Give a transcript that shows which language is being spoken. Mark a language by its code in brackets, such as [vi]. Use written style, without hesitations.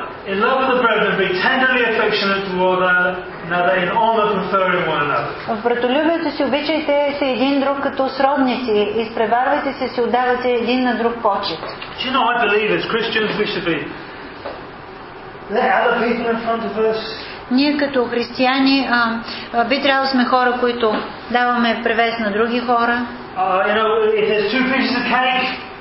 [en] In love of the brethren, be tenderly affectionate toward another, in honor preferring one another. [bg] В братолюбието си обичайте се един друг като сродници, изпреварвайте се, си отдавате един на друг почет. [en] You know, I believe as Christians we should be. Let other people in front of us. [bg] Ние като християни би трябвало сме хора, които даваме превес на други хора. [en] You know, if there's two pieces of cake.